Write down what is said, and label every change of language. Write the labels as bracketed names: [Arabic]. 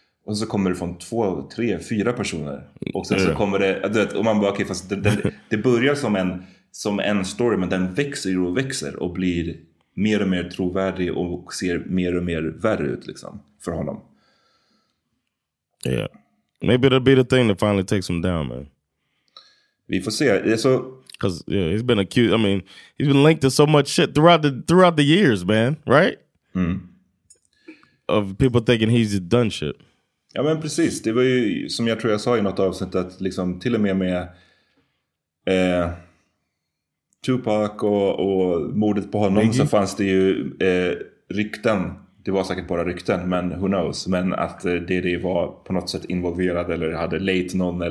[Swedish] Och så kommer det från två, tre, fyra personer. Och sen så kommer det, och man bara, okej, fast det börjar som en, som en story, men den växer och växer och blir mer och mer trovärdig och ser mer och mer värre ut liksom för honom. [English] Yeah. Maybe it'll be the thing that finally takes him down, man. Vi får se. Så, cause yeah, he's been accused, I mean, he's been linked to so much shit throughout the years, man, right? Of people thinking he's done shit. [Swedish] Ja, men precis. Det var ju som jag tror jag sa i något avsnitt, att liksom till och med Tupac och mordet på honom, Biggie, så fanns det ju rykten. Det var säkert bara rykten, men [English] who knows. [Swedish] Men att det var på något sätt involverad eller hade lejt någon.